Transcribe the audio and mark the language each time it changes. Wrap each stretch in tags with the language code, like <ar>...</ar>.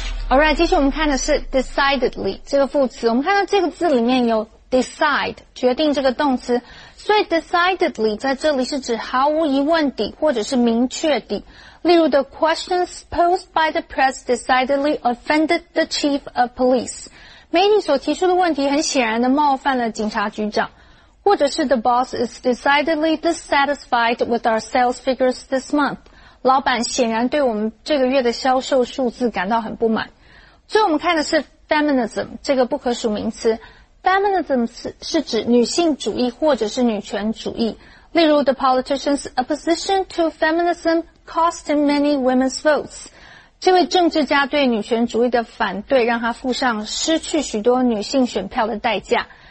<en>All right,</en> <zh>接下来我们看的是 decidedly 这个副词。我们看到这个字里面有 decide, 决定这个动词。所以 decidedly 在这里是指毫无疑问地或者是明确地。例如</zh> <en>the questions posed by the press decidedly offended the chief of police.</en> <zh>媒体所提出的问题很显然地冒犯了警察局长。或者是</zh> <en>the boss is decidedly dissatisfied with our sales figures this month.</en> <zh>老板显然对我们这个月的销售数字感到很不满。所以我们看的是 feminism, 这个不可数名词。Feminism 是指女性主义或者是女权主义。例如</zh> <en>the politician's opposition to feminismcost him many women's votes.</en> <zh>这位政治家对女权主义的反对让他付上失去许多女性选票的代价。</zh>